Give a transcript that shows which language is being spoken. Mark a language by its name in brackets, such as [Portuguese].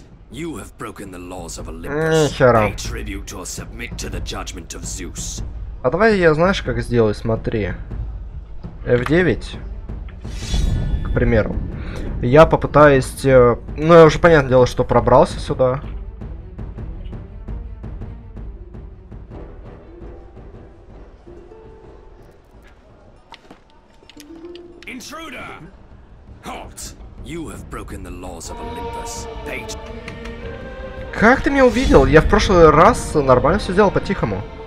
[English] You have broken the laws of Olympus. Pay tribute or submit to the judgment of Zeus. [Russian] А давай я, знаешь, как сделаю, смотри. F9. К примеру. Я попытаюсь... Ну, я уже, понятное дело, что пробрался сюда. [English] Intruder! Halt! You have broken the laws of Olympus. Pay tribute. [Russian] Как ты меня увидел? Я в прошлый раз нормально все сделал по-тихому.